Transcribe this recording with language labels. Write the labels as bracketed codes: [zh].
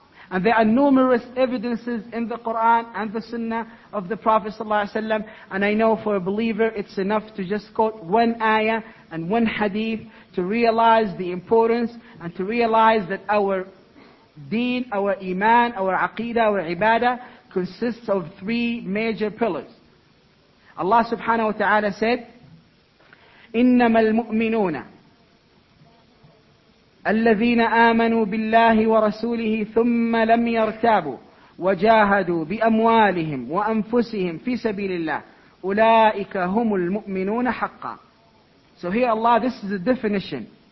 [en] And there are numerous evidences in the Qur'an and the sunnah of the Prophet sallallahu alaihi wasallam. And I know for a believer it's enough to just quote one ayah and one hadith to realize the importance and to realize that our deen, our iman, our aqidah, our ibadah consists of three major pillars. Allah subhanahu wa ta'ala said, [ar] إِنَّمَا الْمُؤْمِنُونَ الذين آمنوا بالله ورسوله ثم لم يرتابوا وجاهدوا بأموالهم وأنفسهم في سبيل الله أولئك هم المؤمنون حقا. [en] So here Allah, this is the definition.